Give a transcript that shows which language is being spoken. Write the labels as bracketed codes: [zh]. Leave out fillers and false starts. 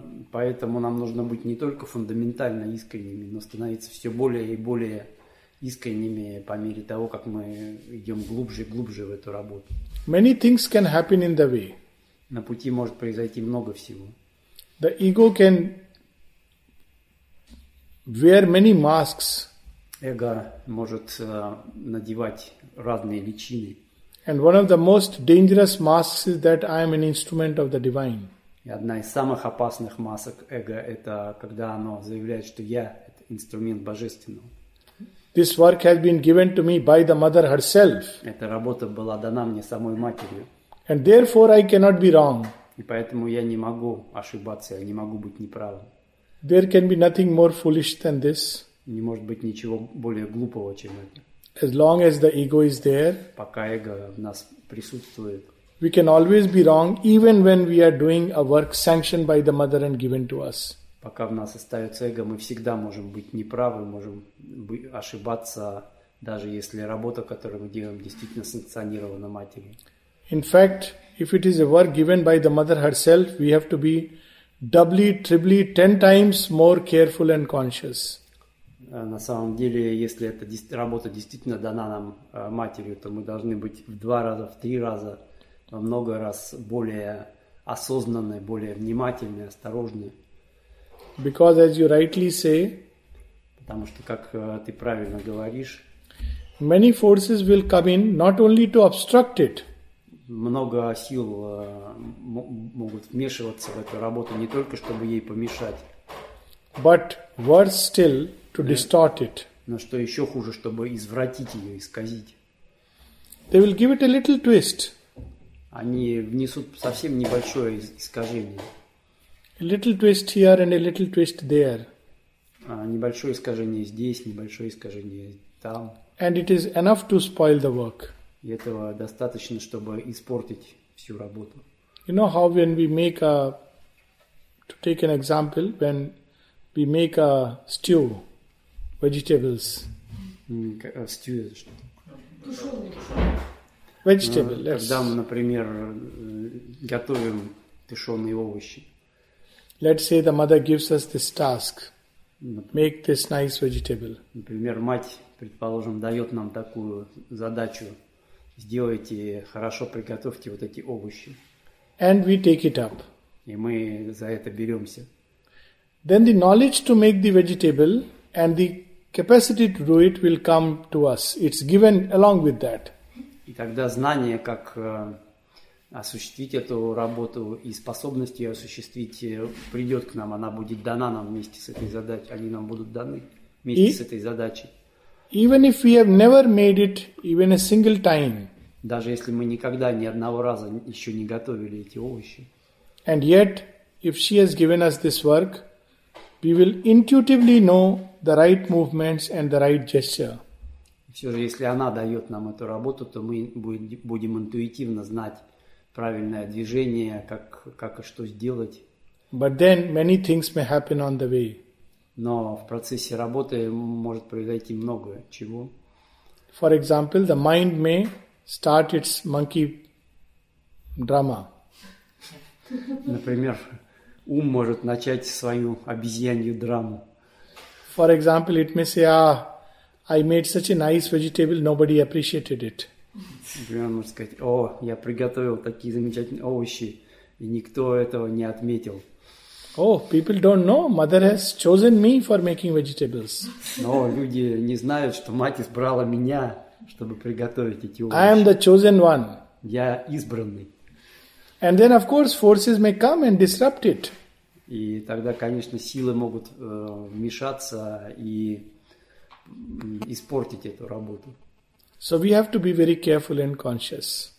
[ru] Поэтому нам нужно быть не только фундаментально искренними, но становиться все более и более искренними по мере того, как мы идем глубже и глубже в эту работу. [en] Many things can happen in the way. [ru] На пути может произойти много всего. [en] The ego can wear many masks. [ru] Эго может надевать разные личины. [en] And one of the most dangerous masks is that I am an instrument of the divine. [ru] И одна из самых опасных масок эго – это когда оно заявляет, что я – это инструмент божественного. [en] This work has been given to me by the mother herself. [ru] Эта работа была дана мне самой матерью. [en] And therefore I cannot be wrong. [ru] И поэтому я не могу ошибаться, я не могу быть неправым. [en] There can be nothing more foolish than this. [ru] Не может быть ничего более глупого, чем это. [en] As long as the ego is there. [ru] Пока эго в нас присутствует. [en] We can always be wrong, even when we are doing a work sanctioned by the mother and given to us. [ru] Пока в нас остается эго, мы всегда можем быть неправы, можем ошибаться, даже если работа, которую мы делаем, действительно санкционирована матерью. [en] In fact, if it is a work given by the mother herself, we have to be doubly, triply, 10 times more careful and conscious. [ru] На самом деле, если эта работа действительно дана нам матерью, то мы должны быть в 2 раза, в 3 раза, во много раз более осознанны, более внимательны, осторожны. [en] Because, as you rightly say, [ru] потому что, как ты правильно говоришь, [en] many forces will come in not only to obstruct it. [ru] Много сил могут вмешиваться в эту работу не только чтобы ей помешать, [en] but worse still to distort it. [ru] Но что еще хуже, чтобы извратить ее, исказить. [en] They will give it a little twist. [ru] Они внесут совсем небольшое искажение. [en] A little twist here and a little twist there. [ru] Небольшое искажение здесь, небольшое искажение там. [en] And it is enough to spoil the work. [ru] И этого достаточно, чтобы испортить всю работу. [en] You know how when we make a... To take an example, when we make a stew, vegetables. [ru] Stew это что? [en] Vegetable. [ru] Когда мы, например, готовим тушеные овощи. [en] Let's say the mother gives us this task. Make this nice vegetable. [ru] Например, мать, предположим, дает нам такую задачу. Сделайте хорошо, приготовьте вот эти овощи. [en] And we take it up. [ru] И мы за это беремся. [en] Then the knowledge to make the vegetable and the capacity to do it will come to us. It's given along with that. [ru] И тогда знание, как осуществить эту работу и способность ее осуществить, придет к нам, она будет дана нам вместе с этой задачей. Они нам будут даны вместе с этой задачей. [en] Even if we have never made it even a single time. [ru] Даже если мы никогда ни одного раза еще не готовили эти овощи. [en] And yet, if she has given us this work, we will intuitively know the right movements and the right gesture. [ru] Все же, если она дает нам эту работу, то мы будем интуитивно знать правильное движение, как и что сделать. [en] But then many things may happen on the way. [ru] Но в процессе работы может произойти много чего. [en] For example, the mind may start its monkey drama. [ru] Например, ум может начать свою обезьянью драму. [en] For example, it may say, I made such a nice vegetable, nobody appreciated it. [ru] Например, может сказать, я приготовил такие замечательные овощи, и никто этого не отметил. [en] People don't know. Mother has chosen me for making vegetables. [ru] Но люди не знают, что мать избрала меня, чтобы приготовить эти овощи. [en] I am the chosen one. [ru] Я избранный. [en] And then, of course, forces may come and disrupt it. [ru] И тогда, конечно, силы могут вмешаться и испортить эту работу. [en] So we have to be very careful and conscious.